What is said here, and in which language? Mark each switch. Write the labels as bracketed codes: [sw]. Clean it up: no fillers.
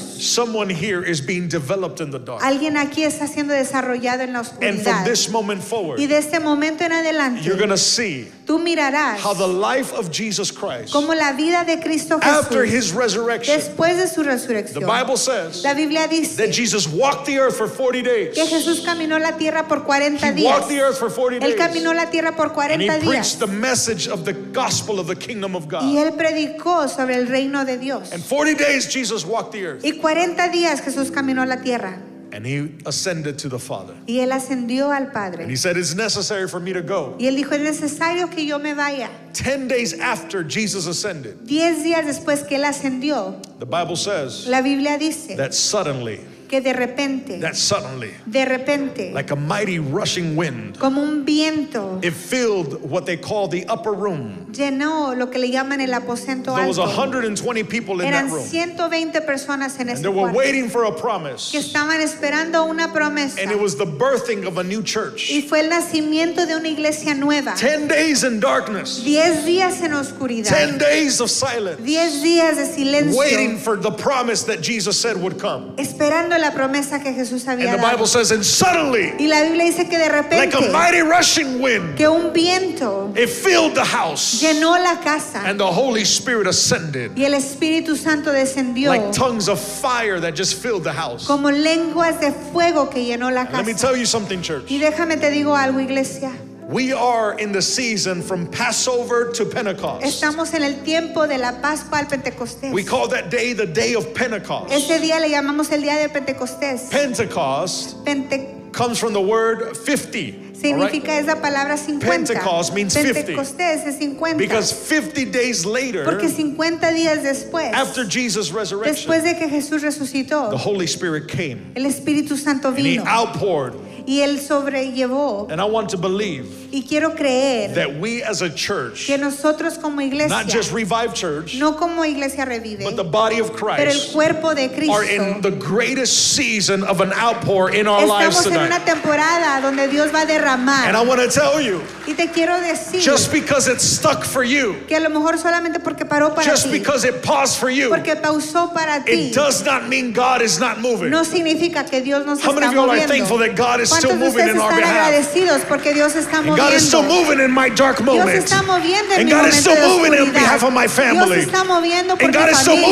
[en] Someone here is being developed in the dark. [es] Alguien aquí está siendo desarrollado en la oscuridad. [en] And from this moment forward, [es] y de este momento en adelante, [en] you're going to see, [es] tú mirarás, [en] how the life of Jesus Christ, [es] como la vida de Cristo Jesús, [en] after his resurrection, [es] después de su resurrección, [en] the Bible says, [es] la Biblia dice, [en] that Jesus walked the earth for 40 days, [es] que Jesús caminó la tierra por 40 [en] he [es] días, [en] walked the earth for 40 days, [es] él caminó la tierra por 40 [en] and he [es] días, [en] preached the message of the gospel of the kingdom of God, [es] y él predicó sobre el reino de Dios, [en] and 40 days Jesus walked the earth, [es] y 40 días Jesús caminó la tierra. [en] And he ascended to the Father. [es] Y él ascendió al Padre. [en] And he said, it's necessary for me to go. [es] Y él dijo, es necesario que yo me vaya. [en] 10 days after Jesus ascended. [es] 10 días después que él ascendió. [en] The Bible says. [es] La Biblia dice. [en] That suddenly. [es] Que de repente. [en] That suddenly. [es] De repente. [en] Like a mighty rushing wind. [es] Como un viento. [en] It filled what they call the upper room. [es] Llenó lo que le llaman el aposento alto. [en] There was 120 people in [es] eran [en] that room. [es] Eran 120 personas en ese cuarto. [en] And they were waiting for a promise. [es] Que estaban esperando una promesa. [en] And it was the birthing of a new church. [es] Y fue el nacimiento de una iglesia nueva. [en] 10 days in darkness. [es] 10 días en oscuridad. [en] 10 days of silence. [es] 10 días de silencio. [en] Waiting for the promise that Jesus said would come. [es] Esperando la promesa que Jesús había dado. [en] And the Bible says, and suddenly, [es] y la Biblia dice que de repente, [en] like a mighty rushing wind, [es] que un viento, [en] it filled the house, [es] llenó la casa, [en] and the Holy Spirit ascended, [es] y el Espíritu Santo descendió, [en] like tongues of fire that just filled the house, [es] como lenguas de fuego que llenó la casa. [en] Let me tell you something, church. [es] Y déjame te digo algo, iglesia. [en] We are in the season from Passover to Pentecost. [es] Estamos en el tiempo de la Pascua al Pentecostés. [en] We call that day the day of Pentecost. [es] Ese día le llamamos el día de Pentecostés. [en] Pentecost comes from the word 50. [es] Significa esa palabra 50. [en] Pentecost means [es] 50. [en] Because 50 days later, [es] porque 50 días después, [en] after Jesus' resurrection, [es] después de que Jesús resucitó, [en] the Holy Spirit came. [es] El Espíritu Santo vino. [en] And he outpoured. [es] Y él sobrellevó. [en] And I want to believe, [es] y quiero creer, [en] that we as a church, [es] que nosotros como iglesia, [en] not just Revive Church, [es] no como iglesia Revive, [en] but the body of Christ, [es] pero el cuerpo de Cristo, [en] are in the greatest season of an outpour in our lives tonight. [es] Estamos en una temporada donde Dios va a derramar. [en] And I want to tell you, [es] y te quiero decir, [en] just because it stuck for you, [es] que a lo mejor solamente porque paró para [en] just [es] ti, [en] because it paused for you, [es] porque pausó para ti, [en] it does not mean God is not moving. [es] No significa que Dios no se está moviendo. [en] How many of you are thankful that God is still moving in our behalf? God is still moving in my dark moment. [es] Dios está moviendo en [en] and [es] mi [en] God [es] momento [en] is still moving on behalf of my family. [es] Dios está moviendo por [en] and God [es] mi [en] is still [es] familia.